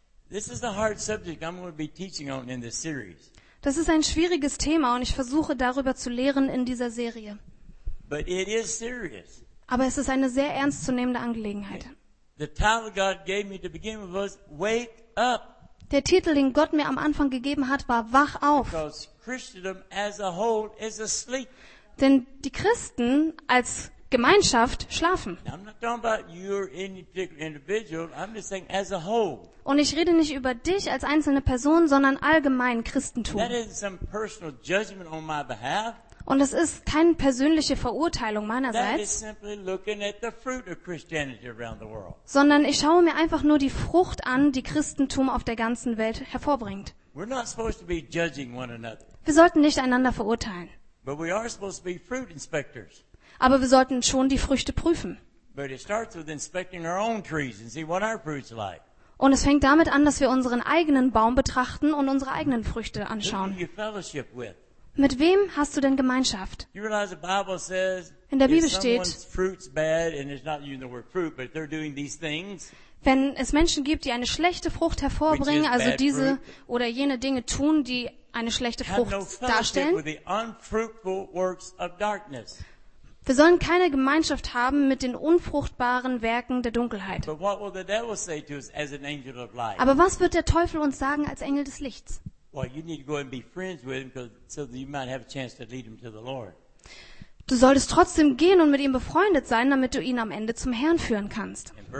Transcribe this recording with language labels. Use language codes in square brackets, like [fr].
[en] This is a hard subject I'm going to be teaching on in this series. [de] Das ist ein schwieriges Thema und ich versuche darüber zu lehren in dieser Serie. [en] But it is serious. [de] Aber es ist eine sehr ernstzunehmende Angelegenheit. [en] The title God gave me to begin with was Wake Up. [de] Der Titel, den Gott mir am Anfang gegeben hat, war Wach auf. [en] Because Christendom as a whole is asleep. [de] Denn die Christen als Gemeinschaft schlafen. [en] I'm not talking about your individual. I'm just saying as a whole. [de] Und ich rede nicht über dich als einzelne Person, sondern allgemein Christentum. [en] That is some personal judgment on my behalf. [de] Und es ist keine persönliche Verurteilung meinerseits, [en] that is simply looking at the fruit of Christianity around the world. [de] Sondern ich schaue mir einfach nur die Frucht an, die Christentum auf der ganzen Welt hervorbringt. [en] We're not supposed to be judging one another. [de] Wir sollten nicht einander verurteilen. [en] But we are supposed to be fruit inspectors. [de] Aber wir sollten schon die Früchte prüfen. [en] But it starts with inspecting our own trees and see what our fruit's like. [de] Und es fängt damit an, dass wir unseren eigenen Baum betrachten und unsere eigenen Früchte anschauen. [en] Who do you fellowship with? [de] Mit wem hast du denn Gemeinschaft? [en] You realize the Bible says, [de] in der Bibel steht, [en] someone's fruit's bad, and it's not using the word fruit, but they're doing these things, [de] wenn es Menschen gibt, die eine schlechte Frucht hervorbringen, also diese [en] fruit, [de] oder jene Dinge tun, die eine schlechte Frucht darstellen, [en] with the unfruitful works of darkness. [de] Wir sollen keine Gemeinschaft haben mit den unfruchtbaren Werken der Dunkelheit. Aber was wird der Teufel uns sagen als Engel des Lichts? [en] Well, you need to go and be friends with him, so that you might have a chance to lead him to the Lord. [de] Du solltest trotzdem gehen und mit ihm befreundet sein, damit du ihn am Ende zum Herrn führen kannst.